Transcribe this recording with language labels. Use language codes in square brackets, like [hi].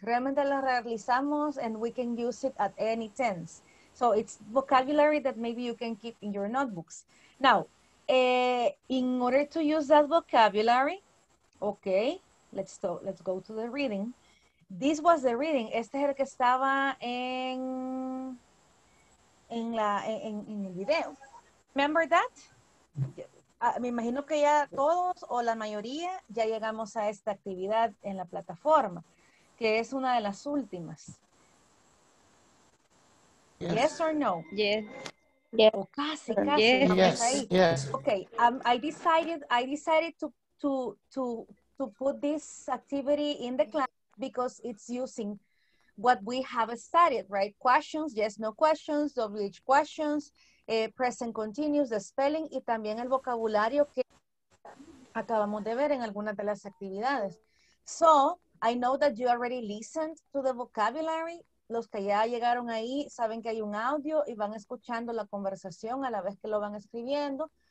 [es] Realmente las realizamos, [en] and we can use it at any tense. So it's vocabulary that maybe you can keep in your notebooks. Now, in order to use that vocabulary, okay, let's go to the reading. This was the reading. [es] Este es el que estaba en el video. [en] Remember that? [es] Me imagino que ya todos o la mayoría ya llegamos a esta actividad en la plataforma, que es una de las últimas. [en] Yes or no? Yes. Oh, casi. Yes. Okay. I decided to put this activity in the class. Because it's using what we have studied, right? Questions, yes, no questions, WH questions, present continuous, the spelling, [es] y también el vocabulario que acabamos de ver en algunas de las actividades. [en] So, I know that you already listened to the vocabulary. [es] Los que ya llegaron ahí saben que hay un audio y van escuchando la conversación a la vez que lo van escribiendo.